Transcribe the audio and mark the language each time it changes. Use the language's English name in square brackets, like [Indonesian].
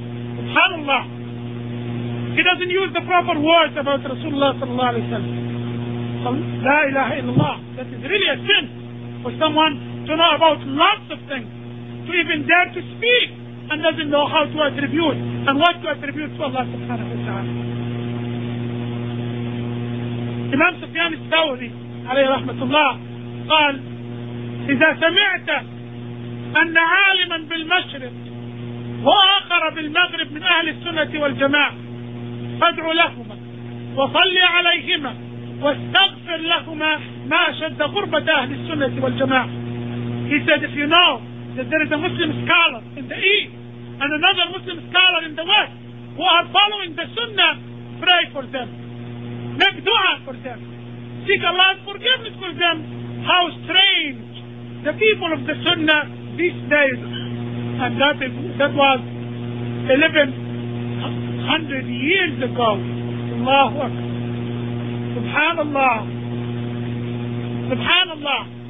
[English] SubhanAllah. He doesn't use the proper words about Rasulullah sallallahu alayhi wa sallam. La ilaha illallah. That is really a sin for someone to know about lots of things, to even dare to speak, and doesn't know how to attribute and what to attribute to Allah subhanahu wa ta'ala. [Arabic] Imam Sufyan al-Thawri alayhi rahmatullah قال إذا سمعت أن عالما بالمشرق وآخر بالمغرب من أهل السنة والجماعة فادعوا لهما وصلي عليهما واستغفر لهما ما شد غربة أهل السنة والجماعة. [English] He said, if you know that there is a Muslim scholar in the East and another Muslim scholar in the West who are following the Sunnah, pray for them. Make dua for them. Seek Allah's forgiveness for them. How strange the people of the Sunnah these days. And that was 1100 years ago. Allahu Akbar. Subhanallah. Subhanallah.